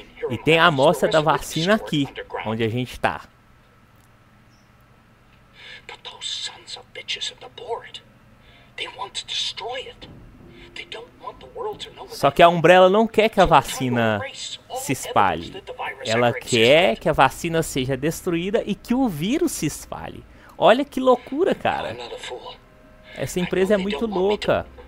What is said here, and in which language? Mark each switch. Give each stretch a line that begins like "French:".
Portuguese: E tem a amostra da vacina aqui, onde a gente está.
English: But those sons of bitches of the board, they want to destroy it. They don't want the world to know.
Portuguese: Só que a Umbrella não quer que a vacina se espalhe. Ela quer que a vacina seja destruída e que o vírus se espalhe. Olha que loucura, cara. Essa empresa é muito louca.